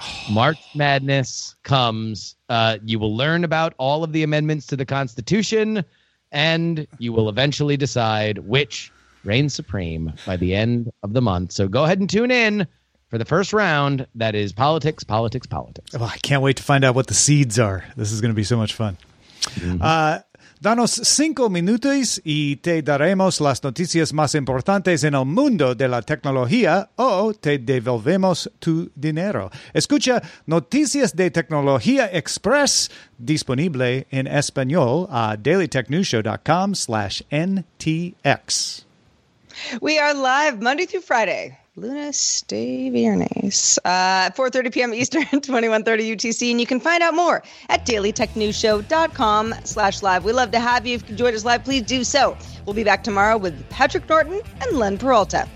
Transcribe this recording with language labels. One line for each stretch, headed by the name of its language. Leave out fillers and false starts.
English: March Madness comes. You will learn about all of the amendments to the Constitution, and you will eventually decide which reigns supreme by the end of the month. So go ahead and tune in for the first round. That is politics. Well, I can't wait to find out what the seeds are. This is going to be so much fun.
Spanish: Danos cinco minutos y te daremos las noticias más importantes en el mundo de la tecnología o te devolvemos tu dinero. Escucha Noticias de Tecnología Express, disponible en español a dailytechnewsshow.com/NTX.
English: We are live Monday through Friday, Luna Stavirnes, 4:30 p.m. Eastern, 21:30 UTC. And you can find out more at dailytechnewsshow.com/live. We love to have you. If you enjoyed us live, please do so. We'll be back tomorrow with Patrick Norton and Len Peralta.